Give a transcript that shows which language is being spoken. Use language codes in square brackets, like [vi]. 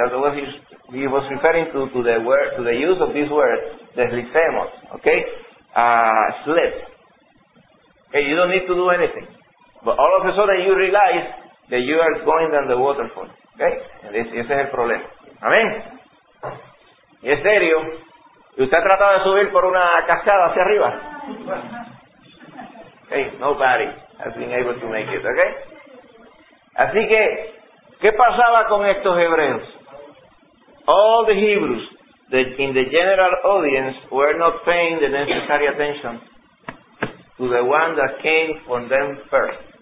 [en] That's what he was referring to the word, to the use of this word, deslicemos, okay? Slip. Okay, you don't need to do anything. But all of a sudden you realize that you are going down the waterfall. [es] Okay? Ese es el problema. ¿Amén? ¿Y es serio? ¿Y usted ha tratado de subir por una cascada hacia arriba? [en] Okay, nobody has been able to make it, okay? [es] Así que, ¿qué pasaba con estos hebreos? [en] All the Hebrews in the general audience were not paying the necessary attention to the one that came from them first.